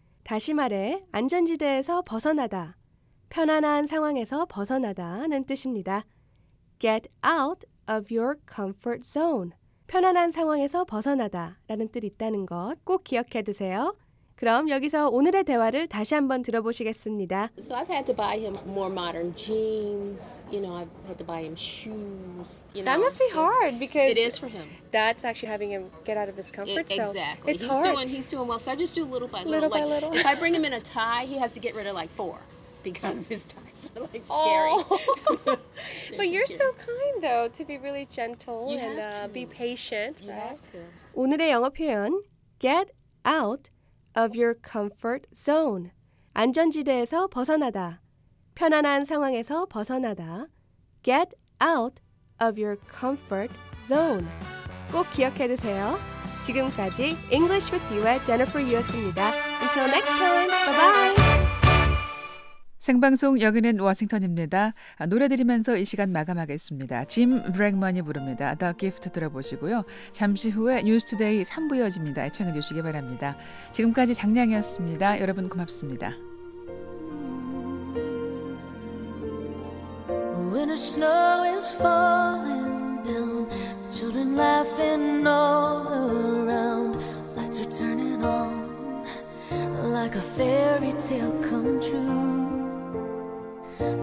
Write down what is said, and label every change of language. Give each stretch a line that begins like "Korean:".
Korean: 다시 말해 안전지대에서 벗어나다 편안한 상황에서 벗어나다는 뜻입니다. get out of your comfort zone 편안한 상황에서 벗어나다 라는 뜻이 있다는 것 꼭 기억해 두세요. 그럼 여기서 오늘의 대화를 다시 한번 들어보시겠습니다.
English: So I've had to buy him more modern jeans. You know, I've had to buy him shoes. You know, that must be hard because it is for him. That's actually having him get out of his comfort zone. Exactly. It's he's hard. He's doing well. So I just do little by little. Little by little. If I bring him in a tie, he has to get rid of like four. Because his ties are like scary. Oh. But you're scary. So kind though to be really gentle you and have to. Be patient. You right? have to.
Korean: 오늘의 영어 표현, get out of your comfort zone. 안전지대에서 벗어나다. 편안한 상황에서 벗어나다.
English: Get out of your comfort zone.
Korean: 꼭 기억해 두세요. 지금까지 English with You의 Jennifer Yu였습니다.
English: Until next time. Bye-bye.
Korean: 생방송 여기는 워싱턴입니다. 노래 들으면서 이 시간 마감하겠습니다. 짐 브랭먼이 부릅니다. The Gift 들어보시고요. 잠시 후에 뉴스 투데이 3부 이어집니다. 애청해 주시기 바랍니다. 지금까지 장량이었습니다. 여러분 고맙습니다.
English: When the snow is falling down, children laughing all around, lights are turning on like a fairy tale come true.